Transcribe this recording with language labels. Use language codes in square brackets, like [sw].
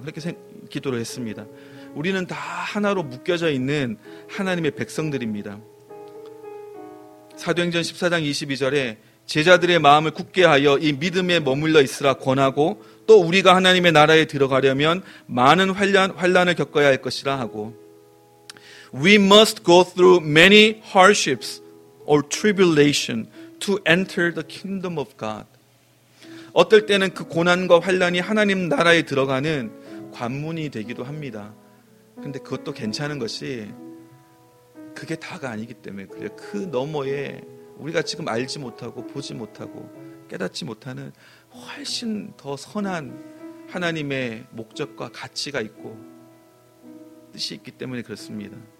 [ko] 그렇게 기도를 했습니다. 우리는 다 하나로 묶여져 있는 하나님의 백성들입니다. 사도행전 14장 22절에 제자들의 마음을 굳게 하여 이 믿음에 머물러 있으라 권하고, 또 우리가 하나님의 나라에 들어가려면 많은 환란을 겪어야 할 것이라 하고, [en] we must go through many hardships or tribulation to enter the kingdom of God. [ko] 어떨 때는 그 고난과 환난이 하나님 나라에 들어가는 관문이 되기도 합니다. 근데 그것도 괜찮은 것이 그게 다가 아니기 때문에 그래요. 그 너머에 우리가 지금 알지 못하고 보지 못하고 깨닫지 못하는 훨씬 더 선한 하나님의 목적과 가치가 있고 뜻이 있기 때문에 그렇습니다.